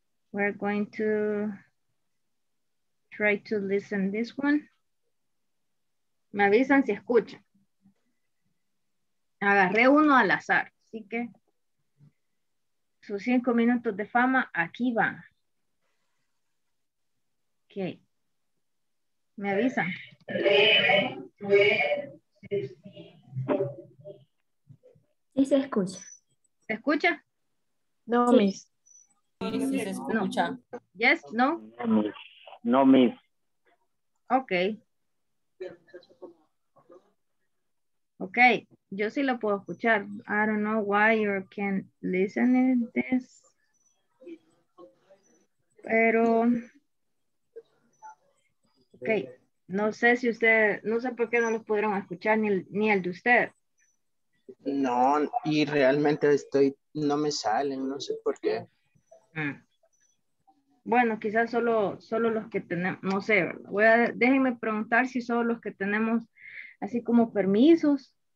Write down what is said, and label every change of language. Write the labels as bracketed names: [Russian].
[English] We're going to try to listen this one. [Spanish] Me avisan si escuchan. Agarré uno al azar, así que sus 5 minutos de fama aquí van. Ok. Me avisan. Sí, se escucha. ¿Se escucha? No, sí. Miss. Sí, se escucha. No. Yes, no. No, Miss. No, Miss. Ok. Ok, yo sí lo puedo escuchar. [English] I don't know why you can't listen to this. [Spanish] Pero. Ok, no sé si usted, no sé por qué no lo pudieron escuchar ni el de usted. No, y realmente estoy, no me salen, no sé por qué. Bueno, quizás solo los que tenemos, no sé, voy a, déjenme preguntar si solo los que tenemos así como permisos.